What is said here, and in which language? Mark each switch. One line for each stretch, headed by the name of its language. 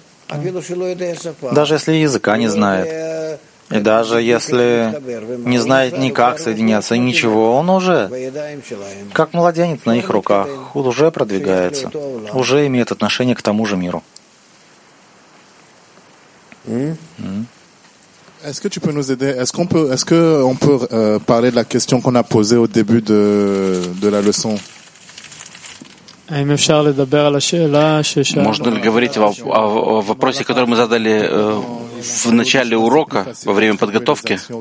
Russian: Даже если языка не знает, и даже если не знает ни как соединяться, ничего, он уже, как младенец на их руках, уже продвигается, уже имеет отношение к тому же миру.
French: Est-ce que tu peux nous aider? Est-ce qu'on peut parler de la question qu'on a posée au début de la leçon?
Russian: Можно ли говорить о вопросе, который мы задали в начале урока, во время подготовки?